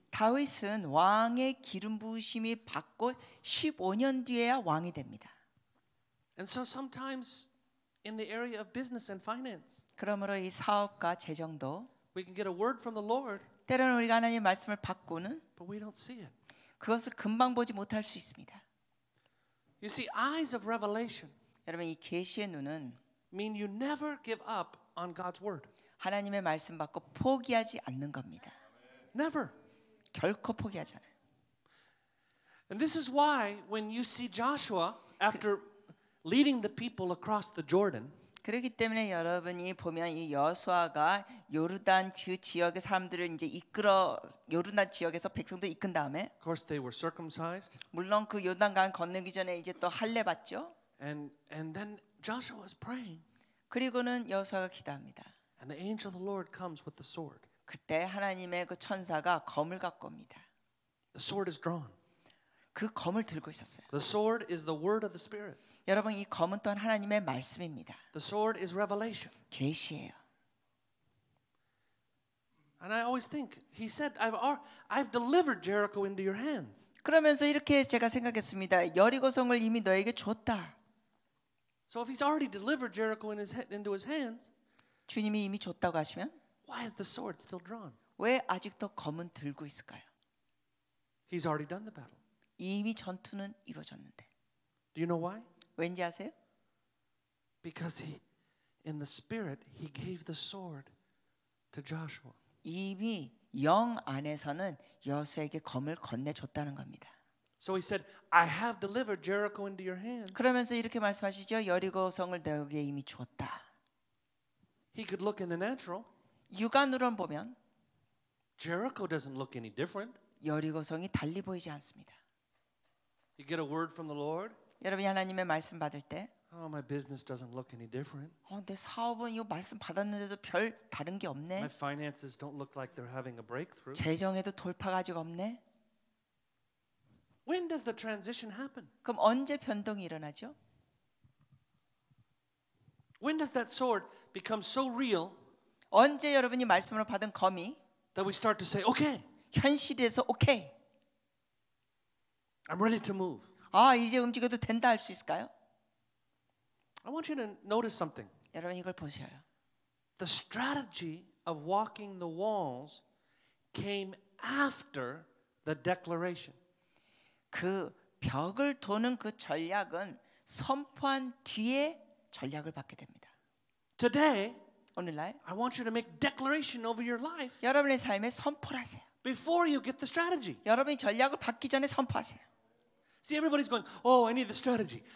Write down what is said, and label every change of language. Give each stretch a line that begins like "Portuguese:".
Korean: 다윗은 왕의 기름 부으심이 받고 15년 뒤에야 왕이 됩니다.
English: And so sometimes in the area of business and finance.
Korean: 그러므로 이 사업과 재정도
English: we can get a word from the Lord.
Korean: 때로는 우리가 하나님의 말씀을 받고는
English: but we don't see it.
Korean: 그것을 금방 보지 못할 수 있습니다.
English: You see, eyes of revelation.
Korean: 여러분 이 계시의 눈은
English: mean you never give up on God's word.
Korean: 하나님의 말씀 받고 포기하지 않는 겁니다.
English: Never.
Korean: 결코 포기하지 않아요.
English: And this is why when you see Joshua after leading the people across the Jordan.
Korean: 그렇기 때문에 여러분이 보면 이 여호수아가 요르단 지역의 사람들을 이제 이끌어 요르단 지역에서 백성들 이끈 다음에
English: Of course they were circumcised.
Korean: 물론 그 요단강 건너기 전에 이제 또 할례 받죠.
English: And then Joshua was praying.
Korean: 그리고는 여호수아가 기도합니다.
English: And the angel of the Lord comes with the sword.
Korean: 그때 하나님의 그 천사가 검을 갖고 옵니다.
English: The sword is drawn.
Korean: 그 검을 들고 있었어요.
English: The sword is the word of the Spirit.
Korean: 여러분 이 검은 또한 하나님의 말씀입니다.
English: The sword is revelation.
Korean: 계시예요.
English: And I always think he said I've delivered Jericho into your hands.
Korean: 그러면서 이렇게 제가 생각했습니다. 여리고성을 이미 너에게 줬다.
English: So if he's already delivered Jericho into his hands,
Korean: 주님이 이미 줬다고 하시면
English: why is the sword still drawn?
Korean: 왜 아직도 검은 들고 있을까요?
English: He's already done the battle.
Korean: 이미 전투는 이루어졌는데.
English: Do you know why?
Korean: 왠지 아세요?
English: Because he, in the spirit, he gave the sword to Joshua.
Korean: 이미 영 안에서는 여호수아에게 검을 건네줬다는 겁니다.
English: So he said, "I have delivered Jericho into your hands."
Korean: 그러면서 이렇게 말씀하시죠. 여리고 성을 너에게 이미 줬다.
English: He could look in the natural.
Korean: 육안으로 보면
English: Jericho doesn't look any different.
Korean: 여리고 성이 달리 보이지 않습니다.
English: You get a word from the Lord.
Korean: 여러분이 하나님의 말씀 받을 때
English: Oh, my business doesn't look any different.
Korean: 내 사업은 이거 말씀 받았는데도 별 다른 게 없네.
English: My finances don't look like they're having a breakthrough.
Korean: 재정에도 돌파가 아직 없네.
English: When does the transition happen?
Korean: 그럼 언제 변동이 일어나죠?
English: When does that sword become so real?
Korean: 언제 여러분이 말씀으로 받은 검이
English: that we start to say, okay.
Korean: 현실에서 오케이.
English: Okay. I'm ready to move.
Korean: 아 이제 움직여도 된다 할 수 있을까요?
English: I want you to notice something.
Korean: 여러분 이걸 보세요.
English: The strategy of walking the walls came after the declaration.
Korean: 그 벽을 도는 그 전략은 선포한 뒤에 전략을 받게 됩니다.
English: Today,
Korean: 오늘날,
English: I want you to make declaration over your life.
Korean: 여러분의 삶에 선포하세요.
English: Before you get the strategy.
Korean: 여러분이 전략을 받기 전에 선포하세요.
English: See, everybody's going, oh, I need the strategy.